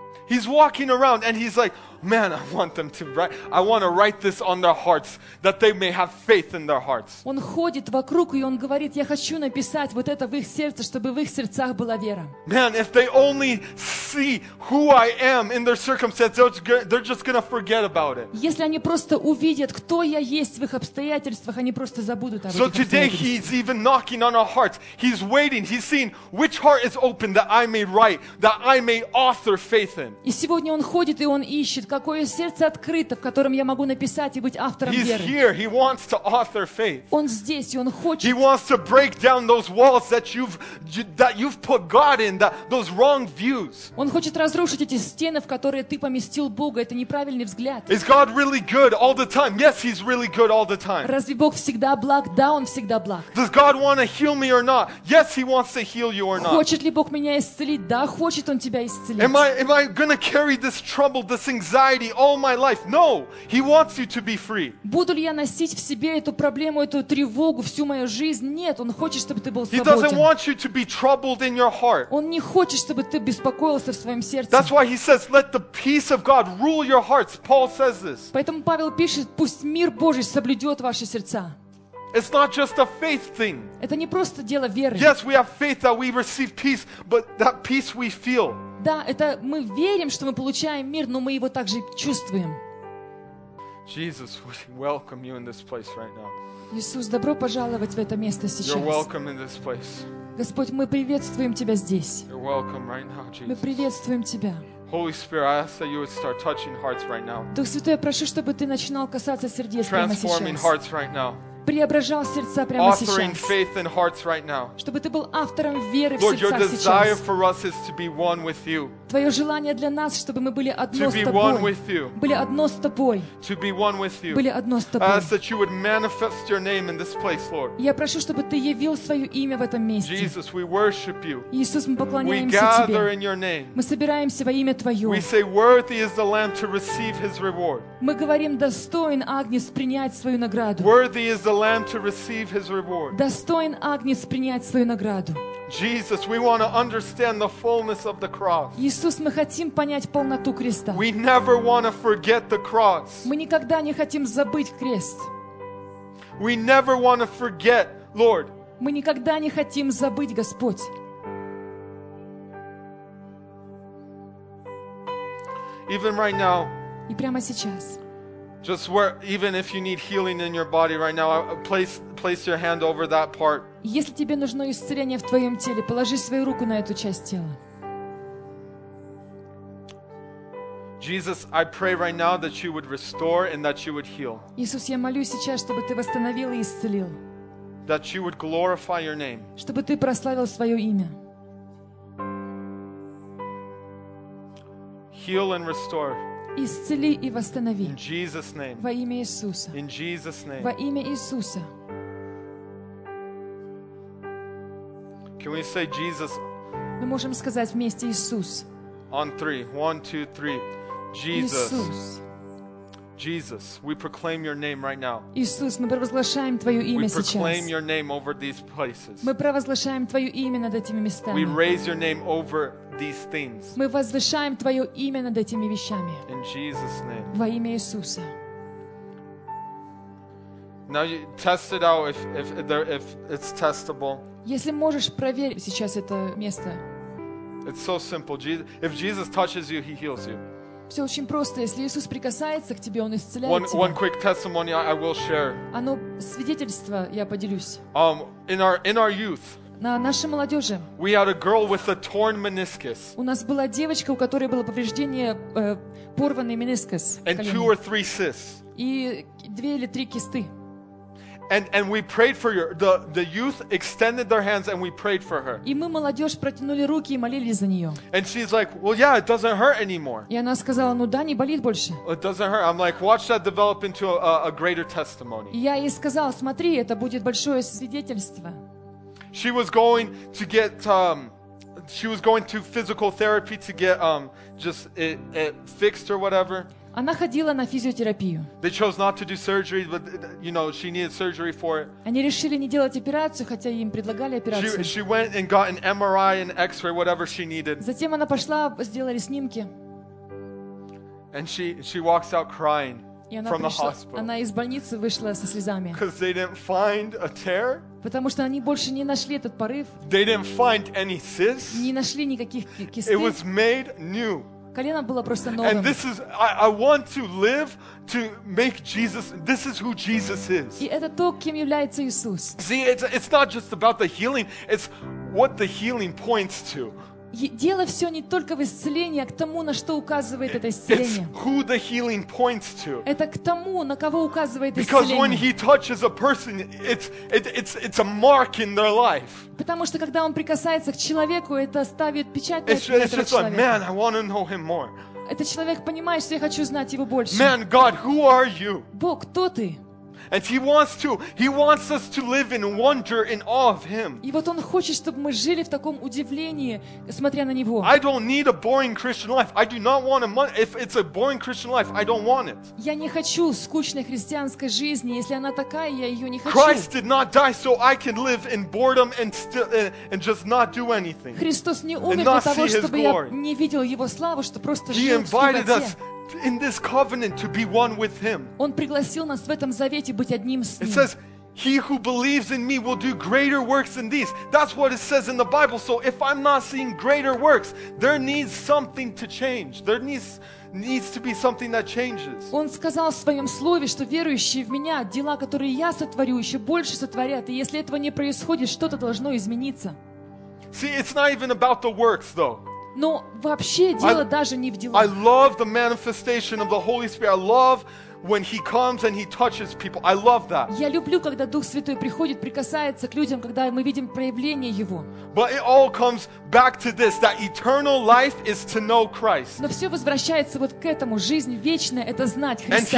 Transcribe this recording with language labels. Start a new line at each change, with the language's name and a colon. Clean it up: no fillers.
English: He's walking around and he's like, man, I want them to write, I want to write this on their hearts, that they may have faith in their hearts.
Russian: Он ходит вокруг и он говорит, я хочу написать вот это в их сердце, чтобы в их сердцах была вера.
English: Man, if they only see who I am in their circumstances, they're just going to forget about it.
Russian: Если они просто увидят, кто я есть в их обстоятельствах, они просто забудут об этом.
English: So today he's even knocking on our hearts. He's waiting. He's seeing which heart is open that I may write, that I may author faith in.
Russian: И сегодня он ходит и он ищет, какое сердце открыто, в котором я могу написать и быть автором
English: He's
Russian: веры.
English: Here. He wants to author faith.
Russian: Он здесь, и он хочет.
English: He wants to break down those walls that you've put God in, that those wrong views.
Russian: Он хочет разрушить эти стены, в которые ты поместил Бога, это неправильный взгляд.
English: Is God really good all the time? Yes, he's really good all the time.
Russian: Разве Бог всегда благ? Да, он всегда благ.
English: Does God want to heal me or not? Yes, he wants to heal you or not.
Russian: Хочет ли Бог меня исцелить? Да, хочет он тебя исцелить.
English: Am I going to carry this trouble, this anxiety? Anxiety all my life. No, he wants you to be free.
Russian: Буду ли я носить в себе эту проблему, эту тревогу всю мою жизнь? Нет, он хочет, чтобы ты был свободен.
English: He doesn't want you to be troubled in your heart.
Russian: Он не хочет, чтобы ты беспокоился в своем сердце.
English: That's why he says, "Let the peace of God rule your hearts." Paul says this.
Russian: Поэтому Павел пишет, пусть мир Божий соблюдет ваши сердца.
English: It's not just a faith thing.
Russian: Это не просто дело веры.
English: Yes, we have faith that we receive peace, but that peace we feel.
Russian: Да, это мы верим, что мы получаем мир, но мы его также чувствуем.
English: Jesus, we welcome you in this place right now.
Russian: Иисус, добро пожаловать в это место сейчас.
English: You're welcome in this place.
Russian: Господь, мы приветствуем тебя здесь.
English: You're welcome right now, Jesus.
Russian: Мы приветствуем тебя.
English: Holy Spirit, I ask that you would start touching hearts right now.
Russian: Дух Святой, я прошу, чтобы ты начинал касаться сердец прямо сейчас.
English: Transforming hearts right now.
Russian: Преображал сердца прямо сейчас.
English: Authoring faith in hearts right now.
Russian: Чтобы ты был автором веры
English: Lord,
Russian: в сердцах сейчас.
English: Lord, your desire for us is to be one with you.
Russian: Твое желание для нас, чтобы мы были одно с тобой.
English: To be one with you.
Russian: Были одно с тобой.
English: To be one with you.
Russian: Были одно с тобой.
English: I ask that you would manifest your name in this place, Lord.
Russian: Я прошу, чтобы ты явил свое имя в этом месте.
English: Jesus, we worship you.
Russian: Иисус, мы поклоняемся тебе.
English: We gather in your name.
Russian: Мы собираемся во имя твое.
English: We say, worthy is the Lamb to receive His reward.
Russian: Мы говорим, достоин Агнец принять свою награду.
English: Worthy is the Lamb to receive His reward.
Russian: Достоин Агнец принять свою награду.
English: Jesus, we want to understand the fullness of the cross.
Russian: Иисус, мы хотим понять полноту креста.
English: We never want to forget the cross.
Russian: Мы никогда не хотим забыть крест.
English: We never want to forget, Lord.
Russian: Мы никогда не хотим забыть, Господь.
English: Even right now.
Russian: И прямо сейчас.
English: Just where, even if you need healing in your body right now, place your hand over that part.
Russian: Если тебе нужно исцеление в твоем теле, положи свою руку на эту часть тела.
English: Jesus, I pray right now that you would restore and that you would heal.
Russian: Иисус, я молюсь сейчас, чтобы ты восстановил и исцелил.
English: That you would glorify your name.
Russian: Чтобы ты прославил свое имя.
English: Heal and restore.
Russian: Исцели и восстанови.
English: In Jesus' name.
Russian: Во имя Иисуса.
English: In Jesus' name.
Russian: Во имя Иисуса.
English: Can we say Jesus?
Russian: Мы можем сказать вместе Иисус.
English: On three. One, two, three. Jesus.
Russian: Иисус.
English: Jesus, we proclaim your name right now.
Russian: Иисус, мы провозглашаем твое имя сейчас.
English: We proclaim your name over these places.
Russian: Мы провозглашаем твое имя над этими местами.
English: We raise your name over these things.
Russian: Мы возвышаем твое имя над этими вещами.
English: In Jesus' name.
Russian: Во имя Иисуса.
English: Now you test it out if it's testable.
Russian: Если можешь, проверь сейчас это место.
English: It's so simple. If Jesus touches you, he heals you.
Russian: Все очень просто. Если Иисус прикасается к тебе, Он исцеляет тебя.
English: One quick testimony I will share.
Russian: Оно свидетельство я поделюсь.
English: In our youth.
Russian: На нашей молодежи.
English: We had a girl with a torn meniscus.
Russian: У нас была девочка, у которой было повреждение порванный менискус.
English: And two or three cysts.
Russian: И две или три кисты.
English: And we prayed for her. The youth extended their hands and we prayed for her.
Russian: И мы молодежь протянули руки и молились за нее.
English: And she's like, well, yeah, it doesn't hurt anymore.
Russian: И она сказала, ну да, не болит больше.
English: It doesn't hurt. I'm like, watch that develop into a greater testimony.
Russian: Я ей сказала, смотри, это будет большое свидетельство.
English: She was going to get she was going to physical therapy to get just it fixed or whatever.
Russian: Она ходила на физиотерапию.
English: They chose not to do surgery, but you know she needed surgery for it.
Russian: Они решили не делать операцию, хотя им предлагали операцию.
English: She went and got an MRI and X-ray, whatever she needed.
Russian: Затем она пошла, сделали снимки.
English: And she walks out crying from the hospital.
Russian: Она из больницы вышла со слезами.
English: Because they didn't find a tear.
Russian: Потому что они больше не нашли этот порыв.
English: They didn't find any cysts.
Russian: Не нашли никаких кисты.
English: It was made new.
Russian: Колено было просто новым.
English: And this is I want to live to make Jesus. This is who Jesus is.
Russian: И это то, кем является Иисус.
English: See, it's not just about the healing. It's what the healing points to.
Russian: Дело все не только в исцелении, а к тому, на что указывает это исцеление.
English: It's who the healing points to.
Russian: Это к тому, на кого указывает
English: Because
Russian: исцеление.
English: Because when he touches a person, it's a mark in their life.
Russian: Потому что когда он прикасается к человеку, это ставит печать на этого человека.
English: It's just
Russian: человека.
English: Like, man, I want to know him more.
Russian: Этот человек понимает, что я хочу знать его больше.
English: Man, God, who are you?
Russian: Бог, кто ты?
English: And he wants us to live in wonder and awe of him.
Russian: И вот он хочет, чтобы мы жили в таком удивлении, смотря на него.
English: I don't need a boring Christian life. I do not want a if it's a boring Christian life, I don't want it.
Russian: Я не хочу скучной христианской жизни, если она такая, я ее не хочу.
English: Christ did not die so I can live in boredom and still and just not do anything.
Russian: Христос не умер для того, чтобы я не видел его славу, чтобы просто жил в суете.
English: He invited us in this covenant to be one with him.
Russian: Он пригласил нас в этом завете быть одним с ним.
English: It says he who believes in me will do greater works than these. That's what it says in the Bible. So if I'm not seeing greater works, there needs something to change. There needs to be something that changes.
Russian: Он сказал в своем слове, что верующие в меня дела, которые я сотворю, еще больше сотворят, и если этого не происходит, что-то должно измениться.
English: See, it's not even about the works though.
Russian: Но вообще дело даже не в делах.
English: I love the manifestation of the Holy Spirit. I love when he comes and he touches people. I love that.
Russian: Я люблю, когда Дух Святой приходит, прикасается к людям, когда мы видим проявление его.
English: But it all comes back to this, that eternal life is to know Christ.
Russian: Но все возвращается вот к этому. Жизнь вечная — это знать Христа.